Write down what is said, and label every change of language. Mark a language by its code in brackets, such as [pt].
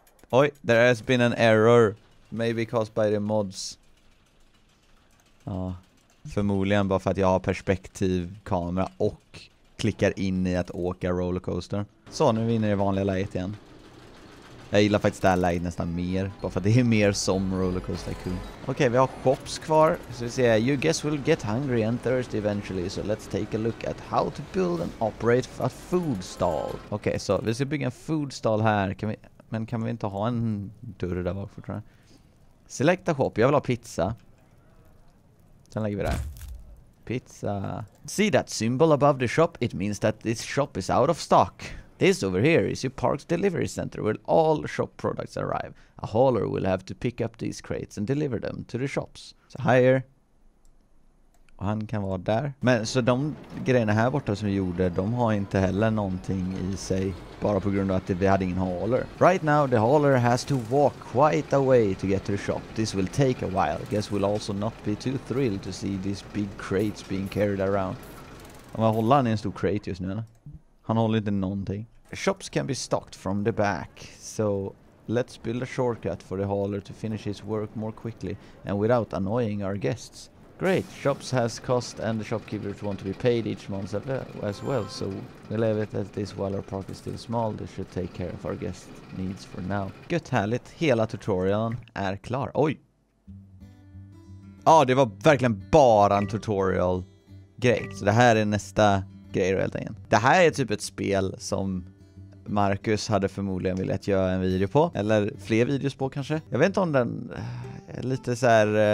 [en] Oj, there has been an error. Maybe caused by the mods. [sv] Ja, förmodligen bara för att jag har perspektivkamera och klickar in i att åka rollercoaster. Så, nu är vi inne i det vanliga läget igen. Jag gillar faktiskt det här läget nästan mer. Bara för att det är mer som Rollercoaster Tycoon. Okej, vi har shops kvar. Så vi säger, [en] you guys will get hungry and thirsty eventually. So let's take a look at how to build and operate a food stall. [sv] Okej, så vi ska bygga en food stall här. Kan vi inte ha en dörr där bak fortfarande? [en] Select a shop. [sv] Jag vill ha pizza. Sen lägger vi där. [en] Pizza. See that symbol above the shop? It means that this shop is out of stock. This over here is your Parks delivery center where all shop products arrive. A hauler will have to pick up these crates and deliver them to the shops. So hire. [sv] Och han kan vara där. Men så de grejerna här borta som vi gjorde, de har inte heller någonting i sig. Bara på grund av att vi hade ingen hauler. [en] Right now the hauler has to walk quite a way to get to the shop. This will take a while. Guess we'll also not be too thrilled to see these big crates being carried around. [sv] Men håller han i en stor crate just nu eller? Han håller inte någonting. [en] Shops can be stocked from the back. So let's build a shortcut for the hauler to finish his work more quickly. And without annoying our guests. Great, shops has cost and the shopkeepers want to be paid each month as well. So we leave it at this while our park is still small. They should take care of our guest needs for now. [sv] Gött, härligt. Hela tutorialen är klar. Oj! Ja, det var verkligen bara en tutorial. Great, så det här är nästa grej helt enkelt. Det här är typ ett spel som Marcus hade förmodligen velat göra en video på. Eller fler videos på kanske. Jag vet inte om den är lite så här...